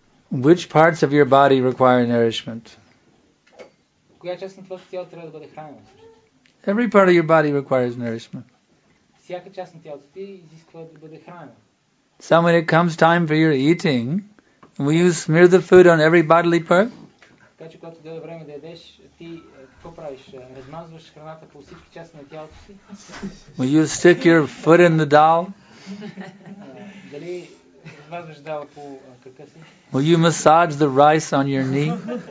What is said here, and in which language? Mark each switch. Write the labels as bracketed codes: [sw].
[en] Which parts of your body require nourishment? [bg] Коя част на твоето тяло трябва да бъде хранено? [en] Every part of your body requires nourishment. [bg] Всяка част на тялото ти изисква да бъде хранено. [en] So when it comes time for your eating, will you smear the food on every bodily part? [bg] Така че когато дойде време да ядеш, ти какво правиш? Размазваш храната по всички части на тялото си? [en] Will you stick your foot in the dal? [bg] Дали размазваш дала по крака си? [en] Will you massage the rice on your knee?